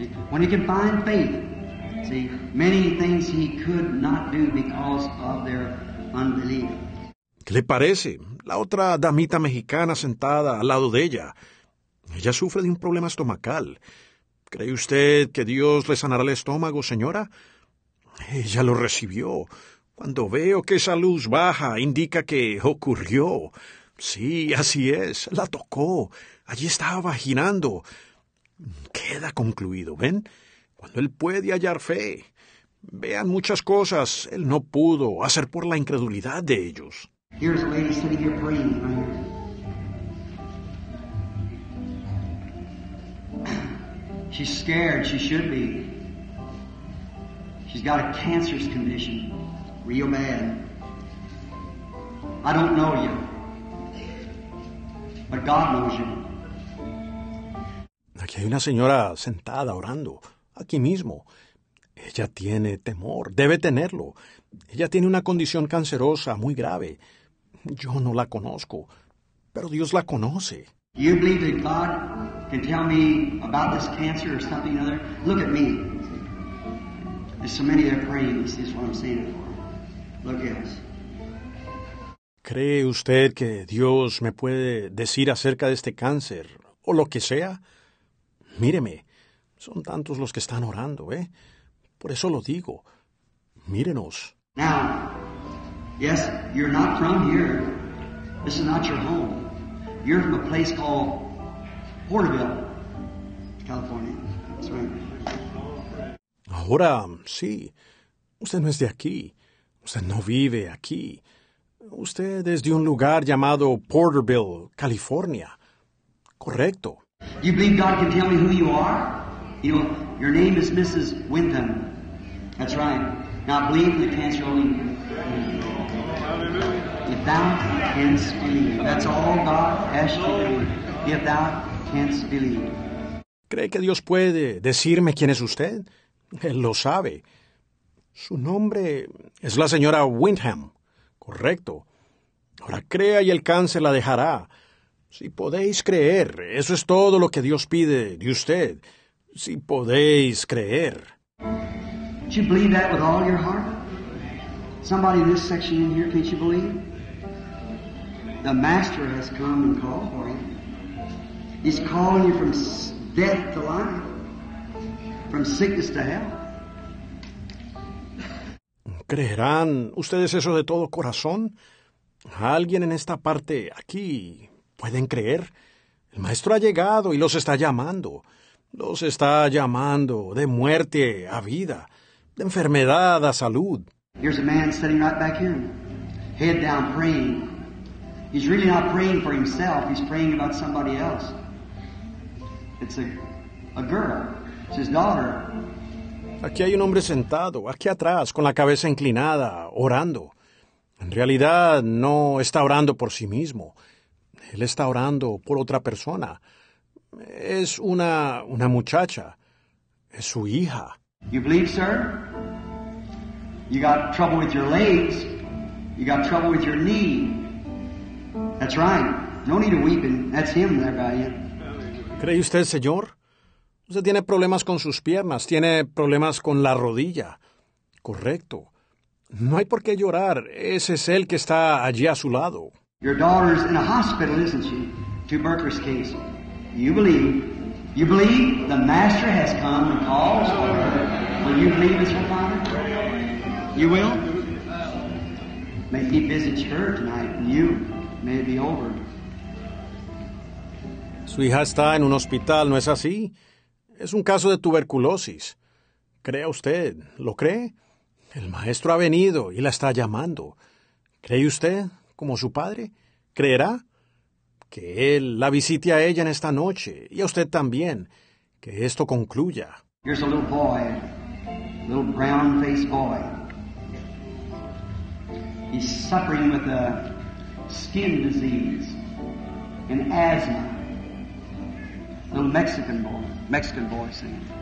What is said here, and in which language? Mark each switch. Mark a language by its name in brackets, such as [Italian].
[English] When he can find faith, see, many things he could not do because of their unbelief. [Spanish] ¿Qué le parece? La otra damita mexicana sentada al lado de ella. Ella sufre de un problema estomacal. ¿Cree usted que Dios le sanará el estómago, señora? Ella lo recibió. Cuando veo que esa luz baja, indica que ocurrió. Sí, así es. La tocó. Allí estaba girando. Queda concluido, ¿ven? Cuando él puede hallar fe. Vean muchas cosas, él no pudo hacer por la incredulidad de ellos. [English] Here's a lady sitting here praying. She's scared, she should be. She's got a cancerous condition, real bad. I don't know you, but God knows you. [Spanish] Aquí hay una señora sentada orando, aquí mismo. Ella tiene temor, debe tenerlo. Ella tiene una condición cancerosa muy grave. Yo no la conozco, pero Dios la conoce. [English] You believe that God can tell me about this cancer or something other? Look at me. There's so many that are praying. This is what I'm saying it for. Look at us. [Spanish] ¿Cree usted que Dios me puede decir acerca de este cáncer o lo que sea? Míreme, son tantos los que están orando, ¿eh? Por eso lo digo. Mírenos. [English] Now, yes, you're not from here. This is not your home. You're from a place called Porterville, California. That's right. [Spanish] Ahora, sí. Usted no es de aquí. Usted no vive aquí. Usted es de un lugar llamado Porterville, California. Correcto. [English] You believe God can tell me who you are? You know, your name is Mrs. Wyndham. That's right. Now believe in the cancer only. Hallelujah. If thou canst believe. That's all God asks you to believe. If thou canst believe. [Spanish] ¿Cree que Dios puede decirme quién es usted? Él lo sabe. Su nombre es la señora Wyndham. Correcto. Ahora crea y el cáncer la dejará. Si podéis creer, eso es todo lo que Dios pide de usted. Si podéis creer. [English] Can you believe that with all your heart? Somebody in this section in here, can't you believe? The Master has come and called for you. He's calling you from death to life, from sickness to health. [Spanish] ¿Creerán ustedes eso de todo corazón? ¿Alguien en esta parte aquí? ¿Pueden creer? El Maestro ha llegado y los está llamando. Los está llamando de muerte a vida, de enfermedad a salud. [English] Here's a man sitting right back here, head down praying. He's really not praying for himself, he's praying about somebody else. It's a girl, it's his daughter. [Spanish] Aquí hay un hombre sentado, aquí atrás, con la cabeza inclinada, orando. En realidad, no está orando por sí mismo. Él está orando por otra persona. Es una muchacha. Es su hija. [English] You believe, sir? You got trouble with your legs. You got trouble with your knee. That's right. No need to weep. That's him there by you. [Spanish] ¿Cree usted, señor? Usted tiene problemas con sus piernas. Tiene problemas con la rodilla. Correcto. No hay por qué llorar. Ese es el que está allí a su lado. [English] Your daughter's in a hospital, isn't she? Tuberculosis case. You believe. You believe the master has come and calls for her. Will you believe it's her father? You will? May he visit her tonight and you may it be over. [Spanish] Su hija está en un hospital, ¿no es así? Es un caso de tuberculosis. ¿Cree usted? ¿Lo cree? El maestro ha venido y la está llamando. ¿Cree usted, como su padre? ¿Creerá? Que él la visite a ella en esta noche, y a usted también. Que esto concluya. [English] Here's a little boy, a little brown-faced boy. He's suffering with a skin disease, an asthma. Little Mexican boy saying.